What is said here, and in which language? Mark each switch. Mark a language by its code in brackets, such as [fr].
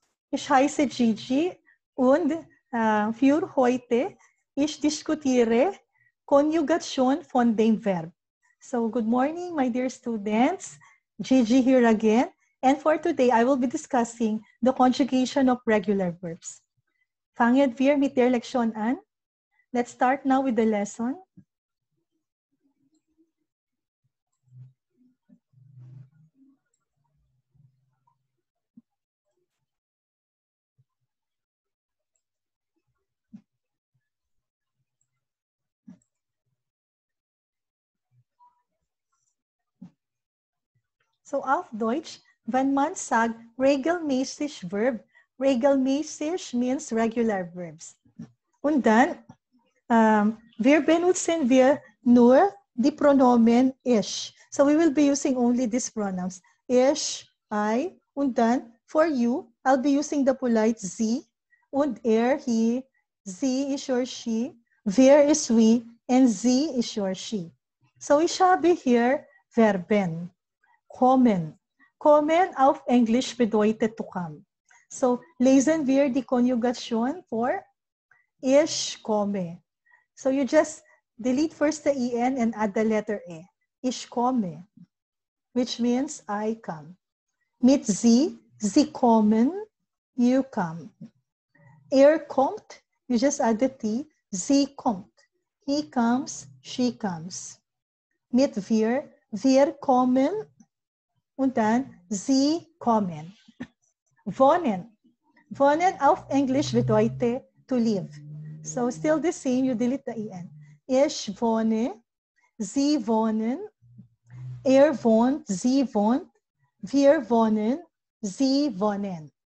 [de] Ich heiße Gigi und für heute ich diskutiere Konjugation von dem Verb. [en] So, good morning, my dear students. Gigi here again. And for today, I will be discussing the conjugation of regular verbs. [de] Fangen wir mit der Lektion an. [en] Let's start now with the lesson. [de] So auf Deutsch, wenn man sagt regelmäßig Verb, regelmäßig [en] means regular verbs. [de] Und dann, wir benutzen wir nur die Pronomen ich. [en] So we will be using only these pronouns. Ich, I, und dann for you, I'll be using the polite sie und he, sie is your she, wir is we, and sie is your she. [de] So ich habe hier Verben. Kommen. Kommen auf Englisch bedeutet to come. So, lesen wir die Konjugation for ich komme. [en] So, you just delete first the en and add the letter e. [de] Ich komme, [en] which means I come. [de] Mit sie, sie kommen, [en] you come. Kommt, you just add the t, [de] sie kommt. [en] He comes, she comes. [de] Mit wir, wir kommen, und dann, sie kommen. Wohnen. Wohnen auf Englisch bedeutet to live. [en] So still the same, you delete the en. [de] Ich wohne, sie wohnen, wohnt, sie wohnt, wir wohnen, sie wohnen.